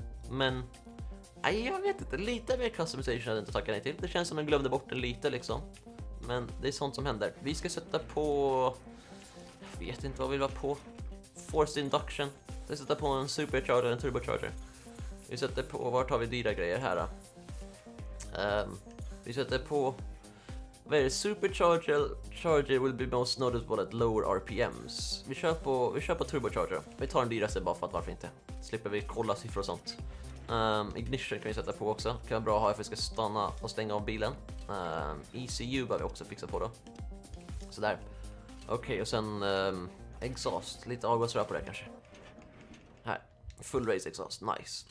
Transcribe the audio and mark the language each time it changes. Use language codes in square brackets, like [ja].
[sv] Men jag vet inte, lite mer customization hade jag inte tackat nej till. Det känns som jag glömde bort den lite liksom. Men det är sånt som händer. Vi ska sätta på, jag vet inte vad vi vill vara på. Forced induction. Vi ska sätta på en supercharger, en turbocharger. Vi sätter på, vart har vi dyra grejer här då? Vi sätter på, vad är det? [en] Supercharger charger will be most noticeable at lower RPMs. [sv] Vi kör på turbocharger. Vi tar den dyraste bara för att varför inte. Slipper vi kolla siffror och sånt. Ignition kan vi sätta på också. Kan vara bra att ha för att vi ska stanna och stänga av bilen. ECU behöver vi också fixa på då. Sådär. Okej, och sen exhaust. Lite avgåsrör på det kanske. Här. Full race exhaust. Nice.